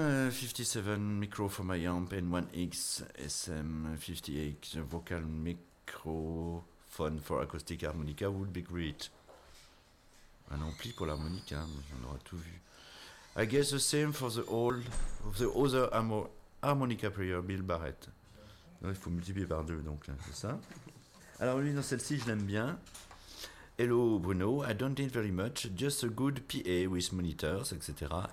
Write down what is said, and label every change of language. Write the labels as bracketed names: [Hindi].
[English] 57 micro for my amp and one XSM58 vocal microphone for acoustic harmonica would be great. [French] Un ampli pour l'harmonica, on aura tout vu. [English] I guess the same for the other harmonica player, Bill Barrett. [French] Il faut multiplier par deux, donc c'est ça. Alors lui, dans celle-ci, je l'aime bien. [English] Hello Bruno, I don't need very much, just a good PA with monitors, etc.